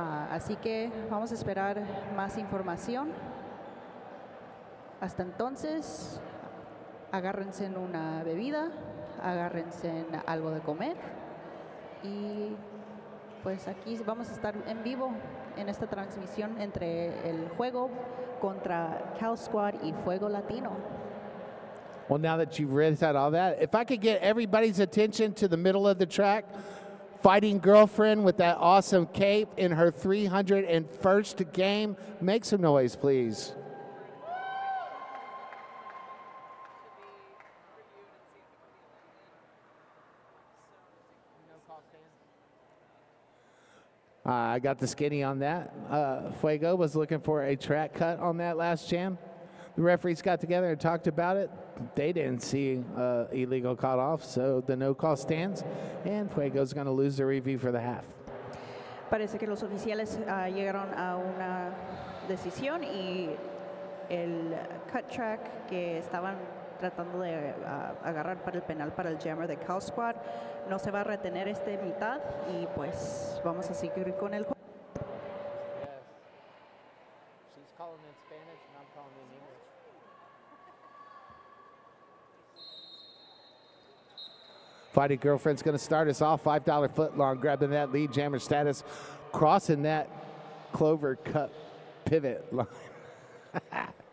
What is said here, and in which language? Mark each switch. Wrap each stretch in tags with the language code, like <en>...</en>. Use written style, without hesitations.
<es>Así que vamos a esperar más información. Hasta entonces, agárrense en una bebida, agárrense en algo de comer. Y pues aquí vamos a estar en vivo en esta transmisión entre el juego contra Cal Squad y Fuego Latino.</es> <en>Well, now that you've read out all that, if I could get everybody's attention to the middle of the track, fighting girlfriend with that awesome cape in her 301st game. Make some noise, please. I got the skinny on that. Fuego was looking for a track cut on that last jam. The referees got together and talked about it. They didn't see illegal cutoff, so the no call stands, and Fuego's going to lose the review for the half.</en> <es>Parece que los oficiales llegaron a una decisión y el cut track que estaban tratando de agarrar para el penal para el jammer de Cow Squad. No se va a retener este mitad y pues vamos a seguir con el juego.</es> <en>Yes. She's calling in Spanish and I'm calling in English. Fighting Girlfriend's going to start us off. $5 foot long, grabbing that lead jammer status, crossing that clover cut pivot line.</en>